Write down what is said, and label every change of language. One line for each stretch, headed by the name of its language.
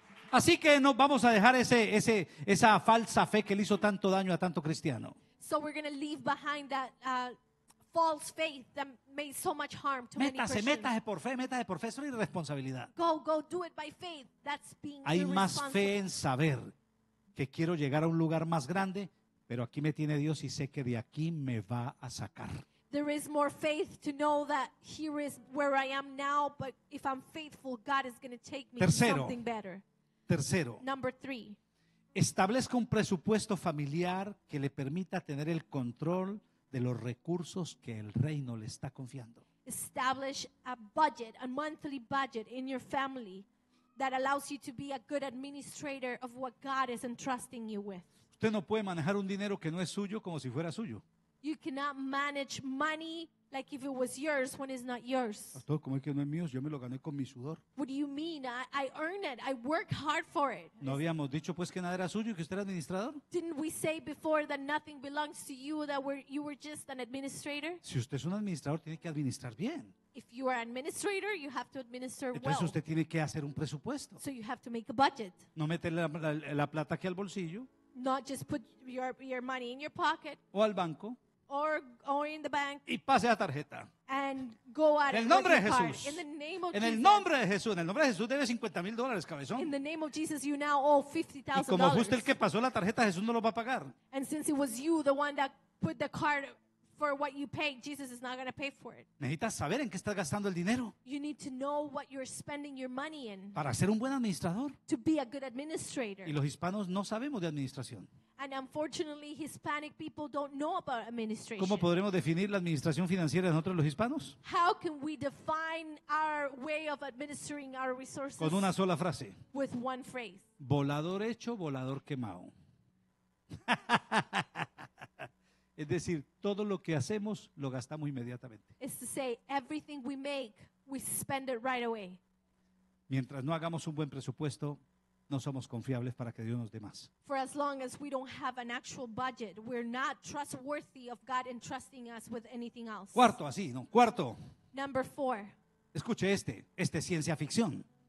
Spanish: Así que no vamos a dejar esa falsa fe que le hizo tanto daño a tanto cristiano.
English: So we're going to leave behind that false faith that made so much harm to many Christians.
Spanish: Métase por fe. Eso es irresponsabilidad.
English: Go, do it by faith. That's being irresponsible.
Spanish: Hay más fe en saber que quiero llegar a un lugar más grande. Pero aquí me tiene Dios y sé que de aquí me va a sacar.
English: There is more faith to know that here is where I am now, but if I'm faithful, God is going to take me
Spanish: tercero,
English: to something better.
Spanish: Tercero.
English: Number three.
Spanish: Establezca un presupuesto familiar que le permita tener el control de los recursos que el reino le está confiando.
English: Establish a budget, a monthly budget in your family that allows you to be a good administrator of what God is entrusting you with.
Spanish: Usted no puede manejar un dinero que no es suyo como si fuera suyo.
English: You cannot manage money like if it was yours when it's not yours.
Spanish: Pastor, ¿cómo es que no es mío? Yo me lo gané con mi sudor.
English: What do you mean? I earn it. I work hard for it.
Spanish: ¿No habíamos dicho pues que nada era suyo y que usted era administrador?
English: Didn't we say before that nothing belongs to you, that you were just an administrator?
Spanish: Si usted es un administrador, tiene que administrar bien.
English: If you are an administrator, you have to administer well.
Spanish: Entonces usted tiene que hacer un presupuesto.
English: So you have to make a budget.
Spanish: No meterle la plata aquí al bolsillo.
English: Not just put your money in your pocket.
Spanish: O al banco.
English: Or in the bank.
Spanish: Y pase la tarjeta.
English: And go out.
Spanish: En el nombre de Jesús.
English: In the name of
Spanish: en el
English: Jesus.
Spanish: Nombre de Jesús. En el nombre de Jesús debe $50,000, cabezón.
English: In the name of Jesus, you now owe $50,000.
Spanish: Y como fue usted el que pasó la tarjeta, Jesús no lo va a pagar.
English: And since it was you the one that put the card for what you paid, Jesus is not going to pay for it.
Spanish: Necesitas saber en qué estás gastando el dinero.
English: You need to know what you're spending your money in.
Spanish: Para ser un buen administrador.
English: To be a good administrator.
Spanish: Y los hispanos no sabemos de administración.
English: And unfortunately, Hispanic people don't know about administration.
Spanish: ¿Cómo podremos definir la administración financiera de nosotros los hispanos?
English: How can we define our way of administering our resources?
Spanish: Con una sola frase.
English: With one phrase.
Spanish: Volador hecho, volador quemado. Es decir, todo lo que hacemos lo gastamos inmediatamente.
English: It's to say, everything we make, we spend it right away.
Spanish: Mientras no hagamos un buen presupuesto, no somos confiables para que Dios nos dé más.
English: For as long as we don't have an actual budget, we're not trustworthy of God entrusting us with anything else.
Spanish: Cuarto, así, ¿no? Cuarto.
English: Number four.
Spanish: Escuche este es ciencia ficción.